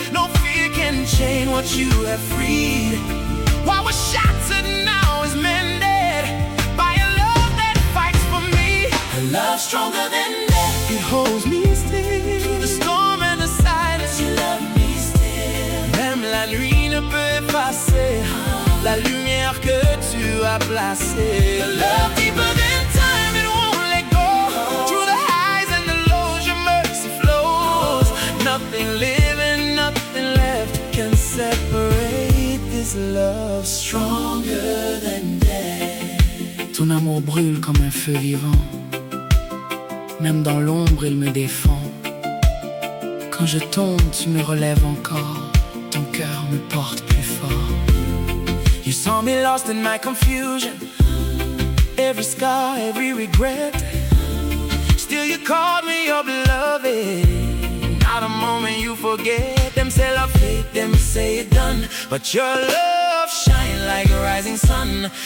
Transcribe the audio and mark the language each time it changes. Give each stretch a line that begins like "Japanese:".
English: No fear can chain what you have freed. What was shattered now is mended by a love that fights for me. A love stronger than death, it holds me still through the storm and the silence. You love me still,
French: même la nuit ne peut passer. La lumière que tu as placée,
English: a love deeper than time, it won't let go. Through the highs and the lows, your mercy flows. Nothing living, nothing left can separate this love stronger than death.
French: Ton amour brûle comme un feu vivant, même dans l'ombre il me défend. Quand je tombe, tu me relèves encore, ton cœur me porte plus fort.
English: You saw me lost in my confusion, every scar, every regret. Still you called me your beloved, not a moment you forget. Them say love fate, them say it done, but your love shine like a rising sun.